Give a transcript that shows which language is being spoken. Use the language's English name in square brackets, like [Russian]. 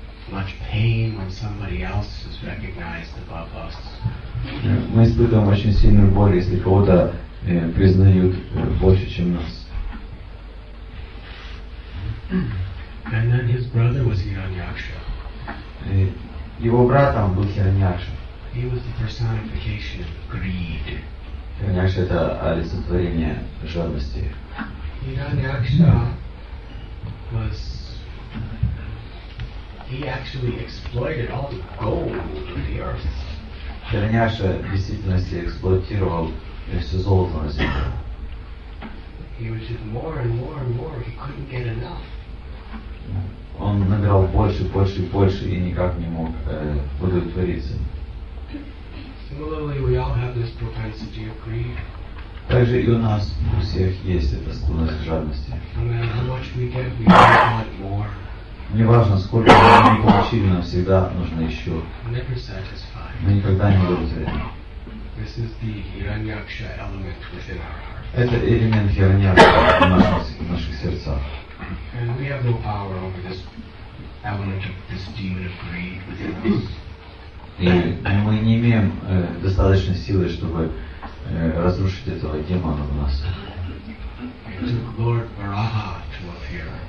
[English] much pain when somebody else is recognized above us. [Russian] Мы испытываем очень сильную боль, если кого-то признают больше, чем нас. [English] And then his brother was Hiranyaksha. [Russian] Его братом был Хираньякша. [English] He was the personification of greed. [Russian] Хираньякша — это олицетворение жадности. [English] Hiranyaksha was... He actually exploited all the gold of the earth. [Russian] Хираньякша в действительности эксплуатировал все золото на земле. [English] He was just more and more and more. He couldn't get enough. [Russian] Он набирал больше, больше и больше и никак не мог удовлетвориться. [English] Similarly, we all have this propensity of greed. [Russian] Также и у нас у всех есть эта склонность к жадности. [English] No matter how much we get, we always want more. [Russian] Не важно, сколько мы не получили, нам всегда нужно еще. [English] Never satisfied. [Russian] Мы никогда не удовлетворены. [English] This is the Hiranyaksha element within our hearts. [Russian] Это элемент Хираньякши в наших сердцах. [English] And we have no power over this element of this demon of greed within us. [Russian] И мы не имеем достаточно силы, чтобы разрушить этого демона в нас. [English] It took Lord Varaha to appear.